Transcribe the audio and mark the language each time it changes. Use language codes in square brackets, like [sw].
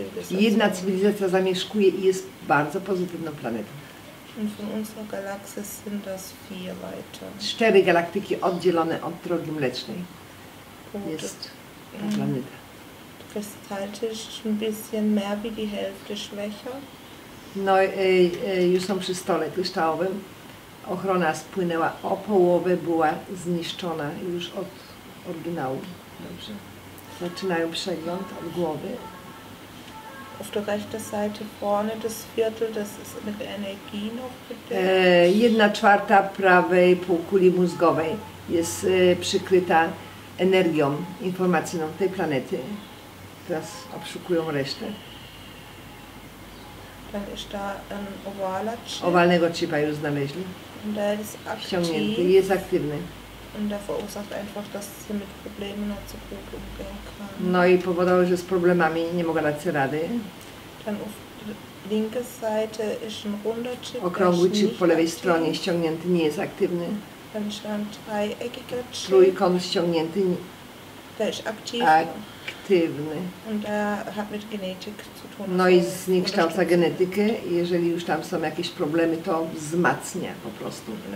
[pl] Jedna cywilizacja zamieszkuje i jest bardzo pozytywną planetą. [de] Und von unserer Galaxie sind das 4 Leute. [pl] 4 galaktyki oddzielone od drogi mlecznej. Jest ta planeta. [de] Kristaltisch ein bisschen mehr wie die Hälfte schwächer. [pl] No, już są przy stole kryształowym. Ochrona spłynęła o połowę, była zniszczona już od oryginału. Dobrze. Zaczynają przegląd od głowy. [de] Auf der rechten Seite vorne das Viertel, das ist mit Energie noch bedeckt. [pl] 1/4 prawej półkuli mózgowej jest przykryta energią informacyjną tej planety. Teraz obszukują resztę. [de] Dann ist da ein ovaler Chip. [pl] Owalnego chipa już znaleźli. [de] Und der ist aktiv. [pl] Wciągnięty, jest aktywny. [de] Und er verursacht einfach, dass sie mit Problemen nicht so gut umgehen kann. [pl] No i powodowało, że z problemami nie mogę dać sobie rady. [de] Dann auf linker Seite ist ein runder Chip. [pl] Okrągły chip po lewej stronie, ściągnięty, nie jest aktywny. [de] Dann ist ein dreieckiger Chip. [pl] Trójkąt ściągnięty. [de] Der ist aktiv. [pl] Aktywny. [de] Und er hat mit Genetik zu tun. [pl] No i zniekształca genetykę. Jeżeli już tam są jakieś problemy, to wzmacnia po prostu.